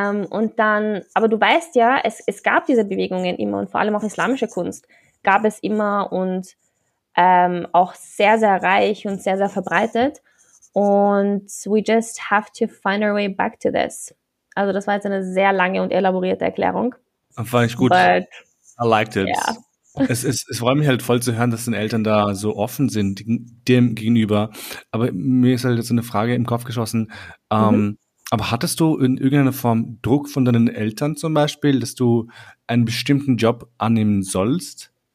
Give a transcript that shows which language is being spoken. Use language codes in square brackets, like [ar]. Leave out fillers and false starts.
[de] Und dann, aber du weißt ja, es gab diese Bewegungen immer und vor allem auch islamische Kunst gab es immer und auch sehr, sehr reich und sehr, sehr verbreitet. Und [en] we just have to find our way back to this. [de] Also das war jetzt eine sehr lange und elaborierte Erklärung. Fand ich gut. [en] But, I liked it. Yeah. [de] Es freut mich halt voll zu hören, dass deine Eltern da so offen sind dem gegenüber. Aber mir ist halt jetzt eine Frage im Kopf geschossen. Aber hattest du in irgendeiner Form Druck von deinen Eltern zum Beispiel, dass du einen bestimmten Job annehmen sollst?